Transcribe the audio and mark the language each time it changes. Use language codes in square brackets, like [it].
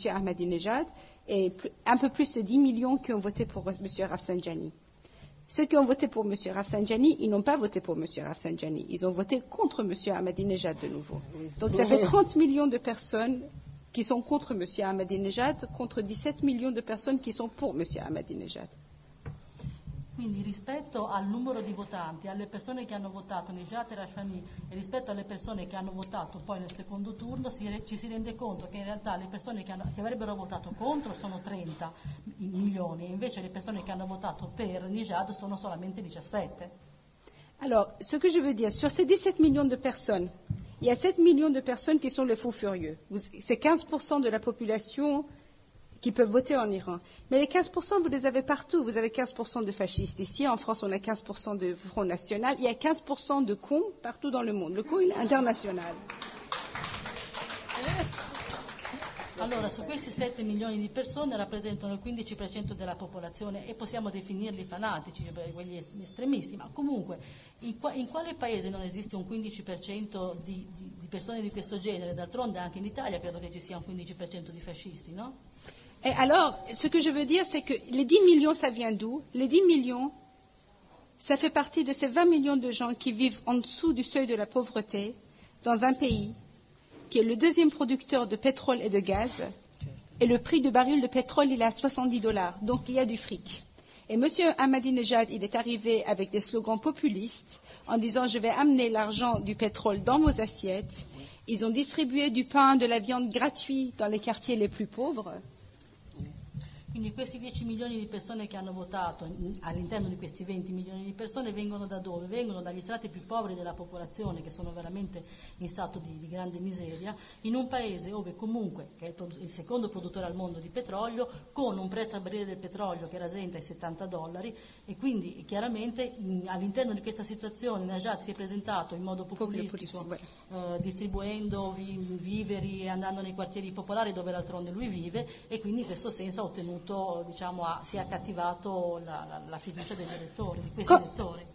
[fr] Ahmadinejad et un peu plus de 10 millions qui ont voté pour M. Rafsanjani. Ceux qui ont voté pour M. Rafsanjani, ils n'ont pas voté pour M. Rafsanjani. Ils ont voté contre M. Ahmadinejad de nouveau. Donc ça fait 30 millions de personnes qui sont contre M. Ahmadinejad, contre 17 millions de personnes qui sont pour M. Ahmadinejad. [it] Quindi rispetto al numero di votanti, alle persone che hanno votato Nejat e Rahsanjani e rispetto alle persone che hanno votato poi nel secondo turno, ci si rende conto che in realtà le persone che avrebbero votato contro sono 30 milioni e invece le persone che hanno votato per Nejat sono solamente 17. [fr] Allora, ce que je veux dire, sur ces 17 millions de personnes, il y a 7 millions de personnes qui sont les fous furieux. C'est 15% de la population qui peuvent voter en Iran. Mais les 15%, vous les avez partout. Vous avez 15% de fascistes ici. En France, on a 15% de Front National. Il y a 15% de cons partout dans le monde. Le con, il est international. [it] Allora, su questi 7 milioni di persone rappresentano il 15% della popolazione e possiamo definirli fanatici, quegli estremisti, ma comunque in quale paese non esiste un 15% di persone di questo genere? D'altronde anche in Italia credo che ci sia un 15% di fascisti, no? E allora, [fr] ce que je veux dire, c'est que les 10 millions, ça vient d'où? Les 10 millions, ça fait partie de ces 20 millions de gens qui vivent en dessous du seuil de la pauvreté dans un pays qui est le deuxième producteur de pétrole et de gaz, et le prix du baril de pétrole, il est à $70, donc il y a du fric. Et M. Ahmadinejad, il est arrivé avec des slogans populistes, en disant « je vais amener l'argent du pétrole dans vos assiettes ». Ils ont distribué du pain, de la viande gratuit dans les quartiers les plus pauvres. [it] Quindi questi 10 milioni di persone che hanno votato, all'interno di questi 20 milioni di persone, vengono da dove? Vengono dagli strati più poveri della popolazione, che sono veramente in stato di grande miseria, in un paese dove comunque, che è il secondo produttore al mondo di petrolio, con un prezzo al barile del petrolio che rasenta i $70, e quindi chiaramente all'interno di questa situazione Najat si è presentato in modo populistico, distribuendo viveri e andando nei quartieri popolari dove d'altronde lui vive, e quindi in questo senso ha ottenuto, diciamo, si è accattivato la fiducia degli elettori, di questi elettori.